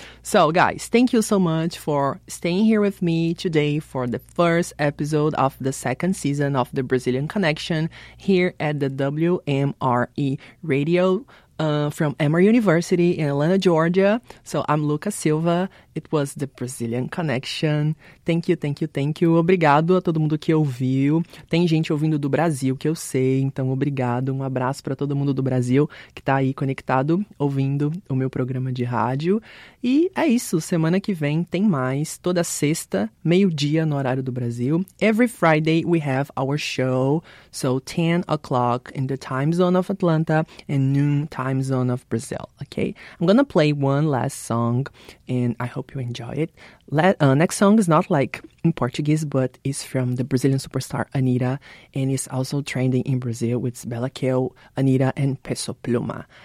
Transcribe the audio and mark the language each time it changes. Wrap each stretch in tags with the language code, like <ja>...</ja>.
<en>So guys, thank you so much for staying here with me today for the first episode of the second season of The Brazilian Connection here at the WMRE Radio from Emory University in Atlanta, Georgia. So I'm Lucas Silva. It was The Brazilian Connection. Thank you, thank you, thank you.</en> <pt>Obrigado a todo mundo que ouviu. Tem gente ouvindo do Brasil, que eu sei. Então, obrigado. Um abraço para todo mundo do Brasil que tá aí conectado, ouvindo o meu programa de rádio. E é isso. Semana que vem tem mais. Toda sexta, meio-dia no horário do Brasil.</pt> <en>Every Friday we have our show. So, 10 o'clock in the time zone of Atlanta and noon time zone of Brazil. Okay? I'm gonna play one last song and I hope you enjoy it. Next song is not like in Portuguese, but is from the Brazilian superstar Anitta, and is also trending in Brazil with Bella Kill, Anitta, and Peso Pluma.</en>